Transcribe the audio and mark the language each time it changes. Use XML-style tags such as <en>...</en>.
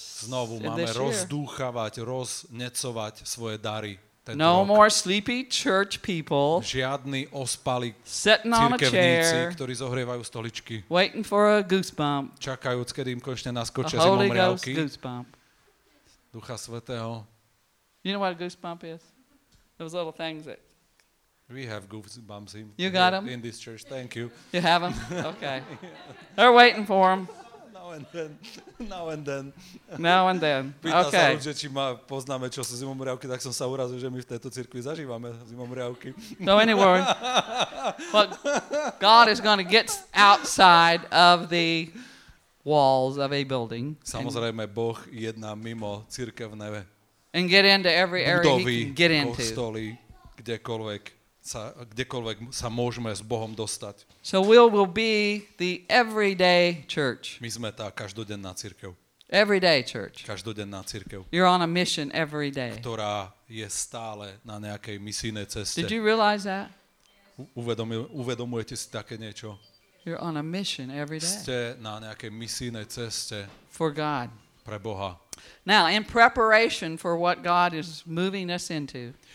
<sk>Znovu máme rozdúchavať, roznecovať svoje dary.</sk> <en>No more sleepy church people.</en> <sk>Žiadny ospalí cirkevníci, ktorí zohrievajú stoličky.</sk> <en>Waiting for a goosebump.</en> <sk>Čakajúc, kedy im konečne naskočia zimomriavky. Ducha Svätého.</sk> <en>You know what a goosebump is? Those little things that we have goosebumps in, you got them? In this church. Thank you. You have them? Okay. Yeah. They're waiting for them. Now and then. Now and then. Now and then. Okay.</en> <sk>Pýtam sa, či ma poznáme, čo sú zimomriavky, tak som sa urazil, že my v tejto cirkvi zažívame zimomriavky.</sk> <en>No, anyway. But God is going to get outside of the walls of a building.</en> <sk>Samozrejme, Boh jedná mimo cirkevné</sk> <en>and get into every area</en> <sk>budovy,</sk> <en>he can get into.</en> <sk>Kostoly, kdekoľvek. Sa, kdekoľvek sa môžeme s Bohom dostať.</sk> <en>So we will be the everyday church.</en> <sk>My sme tá každodenná cirkev.</sk> <en>Everyday church.</en> <sk>Každodenná cirkev.</sk> <en>You're on a mission every day.</en> <sk>Ktorá je stále na nejakej misijnej ceste.</sk> <en>Did you realize that?</en> <sk>Uvedomujete si také niečo?</sk> <en>You're on a mission every day.</en> <sk>Ste na nejakej misijnej ceste.</sk> <en>For God.</en> <sk>Pre Boha.</sk> <en>Now, in preparation for what God is moving us into.</en>